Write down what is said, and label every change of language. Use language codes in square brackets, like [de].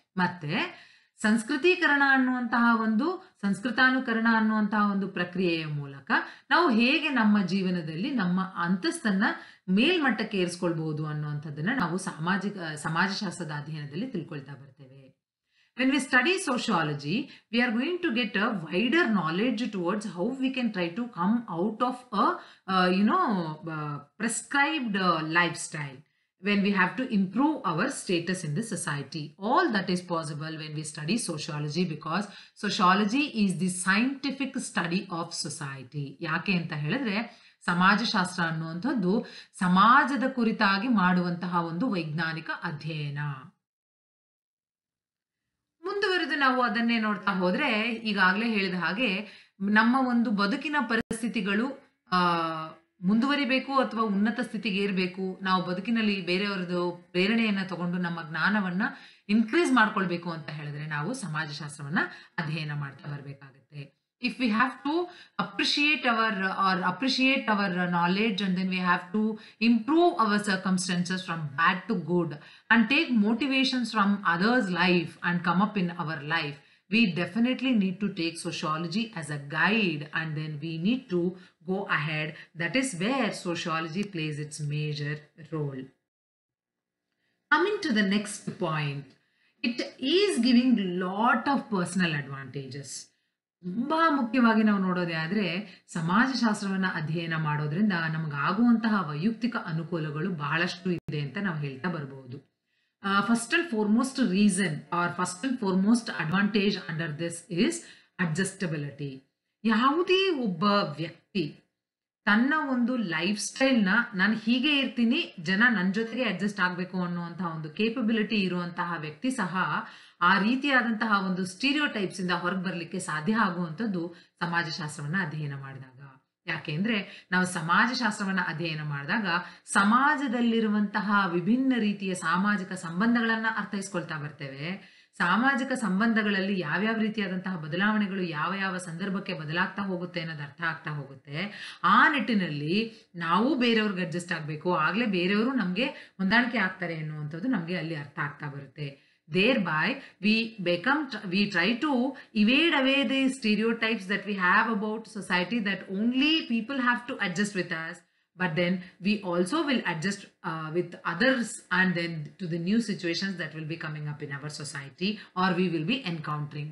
[kn] ಮತ್ತು ಸಂಸ್ಕೃತೀಕರಣ ಅನ್ನುವಂತಹ ಒಂದು ಸಂಸ್ಕೃತಾನುಕರಣ ಅನ್ನುವಂತಹ ಒಂದು ಪ್ರಕ್ರಿಯೆಯ ಮೂಲಕ ನಾವು ಹೇಗೆ ನಮ್ಮ ಜೀವನದಲ್ಲಿ ನಮ್ಮ ಅಂತಸ್ತನ್ನ ಮೇಲ್ಮಟ್ಟಕ್ಕೆ ಏರಿಸ್ಕೊಳ್ಬಹುದು ಅನ್ನುವಂಥದ್ದನ್ನ ನಾವು ಸಮಾಜಶಾಸ್ತ್ರದ ಅಧ್ಯಯನದಲ್ಲಿ ತಿಳ್ಕೊಳ್ತಾ ಬರ್ತೇವೆ. [en] When we study sociology we are going to get a wider knowledge towards how we can try to come out of a you know prescribed lifestyle when we have to improve our status in the society. All that is possible when we study sociology, because sociology is the scientific study of society. [kn] ಯಾಕೆ ಅಂತ ಹೇಳಿದ್ರೆ ಸಮಾಜಶಾಸ್ತ್ರ ಅನ್ನುವಂಥದ್ದು ಸಮಾಜದ ಕುರಿತಾಗಿ ಮಾಡುವಂತಹ ಒಂದು ವೈಜ್ಞಾನಿಕ ಅಧ್ಯಯನ. ಮುಂದುವರೆದು ನಾವು ಅದನ್ನೇ ನೋಡ್ತಾ ಹೋದ್ರೆ ಈಗಾಗಲೇ ಹೇಳಿದ ಹಾಗೆ ನಮ್ಮ ಒಂದು ಬದುಕಿನ ಪರಿಸ್ಥಿತಿಗಳು ಮುಂದುವರಿಬೇಕು ಅಥವಾ ಉನ್ನತ ಸ್ಥಿತಿಗೆ ಏರಬೇಕು, ನಾವು ಬದುಕಿನಲ್ಲಿ ಬೇರೆಯವರದ್ದು ಪ್ರೇರಣೆಯನ್ನು ತಗೊಂಡು ನಮ್ಮ ಜ್ಞಾನವನ್ನು ಇನ್ಕ್ರೀಸ್ ಮಾಡ್ಕೊಳ್ಬೇಕು ಅಂತ ಹೇಳಿದ್ರೆ ನಾವು ಸಮಾಜಶಾಸ್ತ್ರವನ್ನು ಅಧ್ಯಯನ ಮಾಡ್ತಾ ಬರಬೇಕಾಗುತ್ತೆ. [en] If we have to appreciate our knowledge and then we have to improve our circumstances from bad to good and take motivations from others life and come up in our life we definitely need to take sociology as a guide and then we need to go ahead. That is where sociology plays its major role. Coming to the next point, it is giving lot of personal advantages. [kn] ತುಂಬ ಮುಖ್ಯವಾಗಿ ನಾವು ನೋಡೋದೇ ಆದರೆ ಸಮಾಜಶಾಸ್ತ್ರವನ್ನು ಅಧ್ಯಯನ ಮಾಡೋದ್ರಿಂದ ನಮಗಾಗುವಂತಹ ವೈಯಕ್ತಿಕ ಅನುಕೂಲಗಳು ಬಹಳಷ್ಟು ಇದೆ ಅಂತ ನಾವು ಹೇಳ್ತಾ ಬರ್ಬೋದು. [en] First and foremost reason are first and foremost advantage under this is adjustability. [kn] ಯಾವುದೇ ಒಬ್ಬ ವ್ಯಕ್ತಿ ತನ್ನ ಒಂದು ಲೈಫ್ ಸ್ಟೈಲ್ನ ನಾನು ಹೀಗೆ ಇರ್ತೀನಿ ಜನ ನನ್ನ ಜೊತೆಗೆ ಅಡ್ಜಸ್ಟ್ ಆಗಬೇಕು ಅನ್ನುವಂತಹ ಒಂದು ಕೇಪಬಿಲಿಟಿ ಇರುವಂತಹ ವ್ಯಕ್ತಿ ಸಹ ಆ ರೀತಿಯಾದಂತಹ ಒಂದು ಸ್ಟೀರಿಯೋಟೈಪ್ಸಿಂದ ಹೊರಗೆ ಬರಲಿಕ್ಕೆ ಸಾಧ್ಯ ಆಗುವಂಥದ್ದು ಸಮಾಜಶಾಸ್ತ್ರವನ್ನು ಅಧ್ಯಯನ ಮಾಡಿದಾಗ. ಯಾಕೆಂದರೆ ನಾವು ಸಮಾಜಶಾಸ್ತ್ರವನ್ನು ಅಧ್ಯಯನ ಮಾಡಿದಾಗ ಸಮಾಜದಲ್ಲಿರುವಂತಹ ವಿಭಿನ್ನ ರೀತಿಯ ಸಾಮಾಜಿಕ ಸಂಬಂಧಗಳನ್ನು ಅರ್ಥೈಸ್ಕೊಳ್ತಾ ಬರ್ತೇವೆ. ಸಾಮಾಜಿಕ ಸಂಬಂಧಗಳಲ್ಲಿ ಯಾವ್ಯಾವ ರೀತಿಯಾದಂತಹ ಬದಲಾವಣೆಗಳು ಯಾವ ಯಾವ ಸಂದರ್ಭಕ್ಕೆ ಬದಲಾಗ್ತಾ ಹೋಗುತ್ತೆ ಅನ್ನೋದು ಅರ್ಥ ಆಗ್ತಾ ಹೋಗುತ್ತೆ. ಆ ನಿಟ್ಟಿನಲ್ಲಿ ನಾವು ಬೇರೆಯವ್ರಿಗೆ ಅಡ್ಜಸ್ಟ್ ಆಗಬೇಕು, ಆಗಲೇ ಬೇರೆಯವರು ನಮಗೆ ಹೊಂದಾಣಿಕೆ ಆಗ್ತಾರೆ ಅನ್ನುವಂಥದ್ದು ನಮಗೆ ಅಲ್ಲಿ ಅರ್ಥ ಆಗ್ತಾ ಬರುತ್ತೆ. [en] Thereby, we try to evade away the stereotypes that we have about society that only people have to adjust with us. But then we also will adjust with others and then to the new situations that will be coming up in our society or we will be encountering.